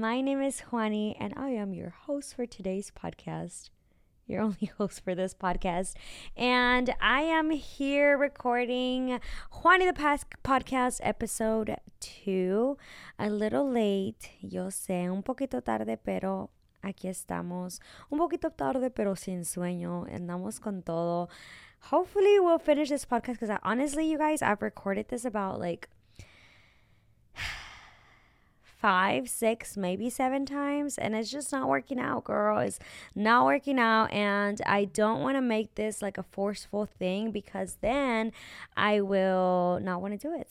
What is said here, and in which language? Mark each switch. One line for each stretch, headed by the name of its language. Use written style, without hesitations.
English: My name is Juani, and I am your host for today's podcast. Your only host for this podcast. And I am here recording Juani the Past podcast episode 2. A little late.
Spanish: Yo sé, un poquito tarde, pero aquí estamos. Un poquito tarde, pero sin sueño. Andamos con todo.
English: Hopefully, we'll finish this podcast because honestly, you guys, I've recorded this about like 5, 6, maybe 7 times, and it's just not working out, girl. It's not working out, and I don't want to make this like a forceful thing because then I will not want to do it.